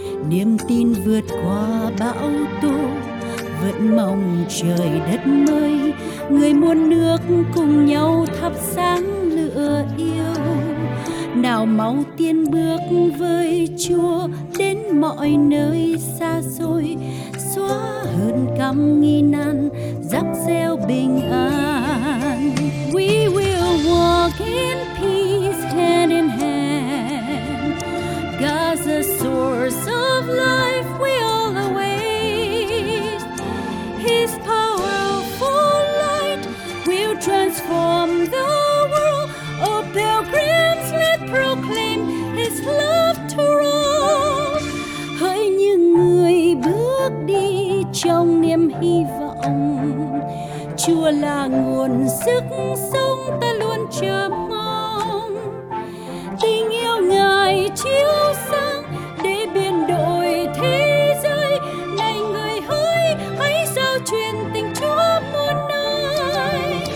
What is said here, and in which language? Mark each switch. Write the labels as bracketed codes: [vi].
[vi] Niềm tin vượt qua bão tố vẫn mong trời đất mới, người muôn nước cùng nhau thắp sáng lửa yêu. Nào mau tiên bước với Chúa đến mọi nơi xa xôi, xóa hơn căm nghi nan, rắc rêu bình an. [en] We will walk in peace hand in hand. God's a source of life we all await. His powerful light will transform the world. Oh, pilgrims, let proclaim His love to all. [vi] Hỡi những người bước đi trong niềm hy vọng, Chúa là nguồn sức sống ta luôn chờ mong. Tình yêu Ngài chiếu sáng để biến đổi thế giới, này người hỡi hãy rao truyền tình Chúa muôn nơi.